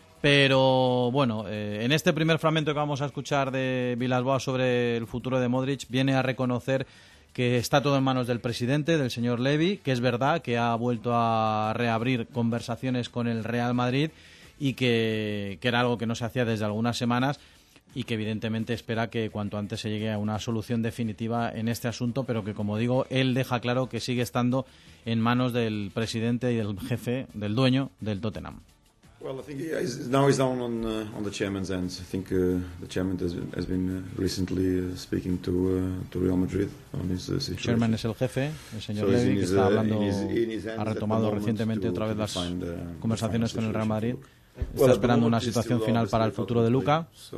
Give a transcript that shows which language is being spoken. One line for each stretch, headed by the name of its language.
Spanish: Pero bueno, en este primer fragmento que vamos a escuchar de Villas-Boas sobre el futuro de Modric, viene a reconocer que está todo en manos del presidente, del señor Levy, que es verdad que ha vuelto a reabrir conversaciones con el Real Madrid y que era algo que no se hacía desde algunas semanas. Y que evidentemente espera que cuanto antes se llegue a una solución definitiva en este asunto, pero que, como digo, él deja claro que sigue estando en manos del presidente y del jefe, del dueño del Tottenham.
English: Well, I think now he's down on the chairman's end. I think the chairman has been recently speaking to Real Madrid on his situation.
Spanish: El chairman es el jefe, el señor Levy, que está hablando, ha retomado recientemente otra vez las conversaciones con el Real Madrid. Está esperando una situación final para el futuro de Luka.